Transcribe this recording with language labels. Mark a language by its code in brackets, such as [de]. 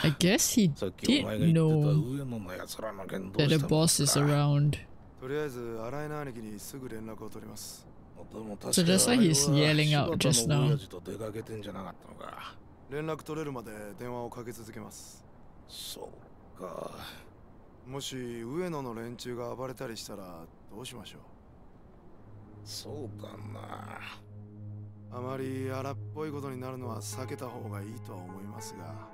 [en] I guess he did know that the boss is around. [ja] とりあえず新井の兄貴にすぐ連絡を取ります。 [en] So that's why he's yelling out just now. [ja] 親父と出かけてんじゃなかったのか。連絡取れるまで電話をかけ続けます。そうか。もし上野の連中が暴れたりしたらどうしましょう。そうかな。あまり荒っぽいことになるのは避けた方がいいとは思いますが。